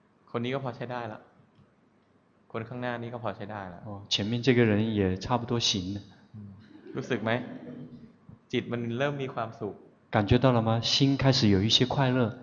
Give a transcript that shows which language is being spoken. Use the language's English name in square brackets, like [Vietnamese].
[Thai] คนนี้ก็พอใช้ได้ละคนข้างหน้านี้ก็พอใช้ได้ละ [Chinese] 前面这个人也差不多行了。 [Thai] รู้สึกไหมจิตมันเริ่มมีความสุข [Chinese] 感觉到了吗心开始有一些快乐。